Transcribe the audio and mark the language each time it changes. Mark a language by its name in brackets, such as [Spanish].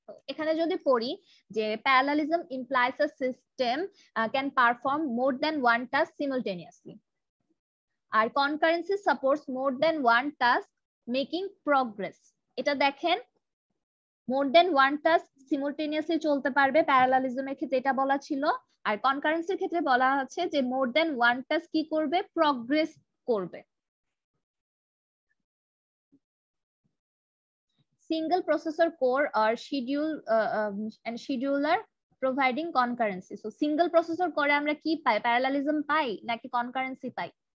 [Bangla] এখানে যদি পড়ি যে [English] parallelism implies a system can perform more than one task simultaneously, [Bangla] আর [English] concurrency supports more than one task making progress, [Bangla] এটা দেখেন [English] more than one task simultaneously [Bangla] চলতে পারবে প্যারালালিজমের ক্ষেত্রে এটা বলা ছিল, আর কনকারেন্সির ক্ষেত্রে বলা আছে যে মোর দ্যান ওয়ান টাস্ক কি করবে প্রোগ্রেস করবে। [English] Single processor core or schedule and scheduler providing concurrency. So single processor core [Bangla] আমরা কি পাই, parallelism পাই নাকি concurrency পাই?